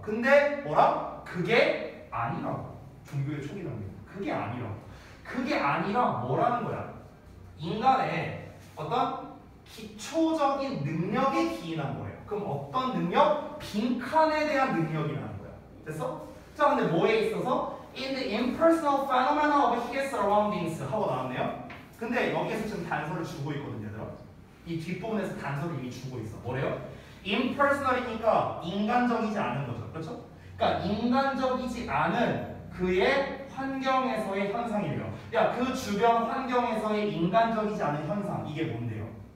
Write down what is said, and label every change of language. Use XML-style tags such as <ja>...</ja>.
<ko>근데 뭐라? 그게 아니라고. 종교의 초기 단계. 그게 아니라. 그게 아니라 뭐라는 거야? 인간의 어떤 기초적인 능력에 기인한 거예요. 그럼 어떤 능력? 빈칸에 대한 능력이라는 거야. 됐어? 자, 근데 뭐에 있어서?</ko> <en>In the impersonal phenomena of his surroundings</en> <ko>하고 나왔네요. 근데 여기에서 지금 단서를 주고 있거든요. 이 뒷부분에서 단서를 이미 주고 있어. 뭐래요? Impersonal이니까 인간적이지 않은 거죠. 그렇죠? 그러니까 인간적이지 않은 그의 환경에서의 현상이래요. 야, 그 주변 환경에서의 인간적이지 않은 현상 이게 뭔데요?</ko>